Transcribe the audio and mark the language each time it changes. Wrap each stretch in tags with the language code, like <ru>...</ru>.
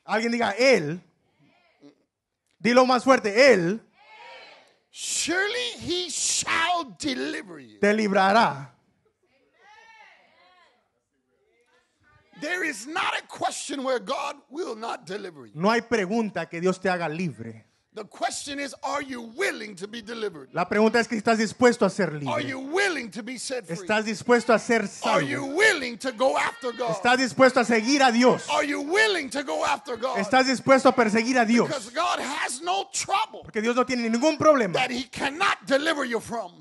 <es>Alguien diga él. Dilo más fuerte, él.</es> <en>Surely he shall deliver you.</en> <es>Te librará.</es> <en>There is not a question where God will not deliver you.</en> <es>No hay pregunta que Dios te haga libre.</es> <en>The question is, are you willing to be delivered?</en> <es>La pregunta es que estás dispuesto a ser libre.</es> <en>Are you willing to be set free?</en> <es>Estás dispuesto a ser salvo.</es> <en>Are you willing to go after God?</en> <es>Estás dispuesto a seguir a Dios.</es> <en>Are you willing to go after God?</en> <es>Estás dispuesto a perseguir a Dios.</es> <en>Because God has no trouble.</en> <es>Porque Dios no tiene ningún problema.</es> <en>That He cannot deliver you from.</en>